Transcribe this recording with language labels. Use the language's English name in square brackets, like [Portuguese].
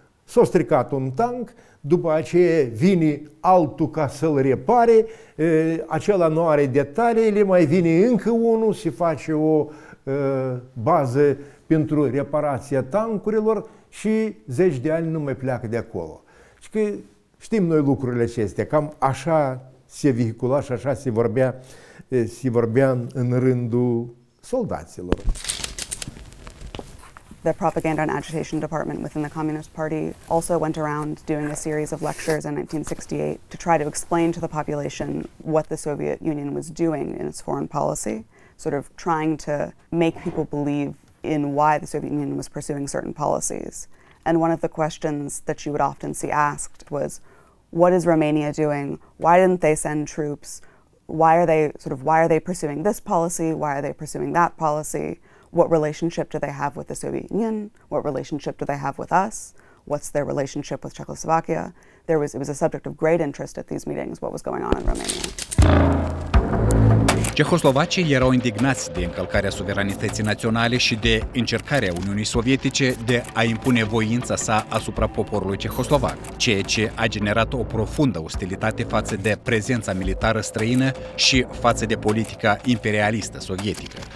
[Romanian] S-a stricat un tank, după aceea vine altul ca să-l repare, acela nu are detaliile, mai vine încă unul, se face o bază pentru reparația tankurilor și zeci de ani nu mai pleacă de acolo. Și că știm noi lucrurile acestea, cam așa se vehicula și așa se vorbea în rândul soldaților. [English] The propaganda and agitation department within the Communist Party also went around doing a series of lectures in 1968 to try to explain to the population what the Soviet Union was doing in its foreign policy, sort of trying to make people believe in why the Soviet Union was pursuing certain policies. And one of the questions that you would often see asked was, what is Romania doing? Why didn't they send troops? Why are they pursuing this policy? Why are they pursuing that policy? What relationship do they have with the Soviet Union? What relationship do they have with us? What's their relationship with Czechoslovakia? It was a subject of great interest at these meetings, what was going on in Romania. [Romanian] Cehoslovacii erau indignați de încălcarea suveranității naționale și de încercarea Uniunii Sovietice de a impune voința sa asupra poporului cehoslovac, ceea ce a generat o profundă ostilitate față de prezența militară străină și față de politica imperialistă sovietică.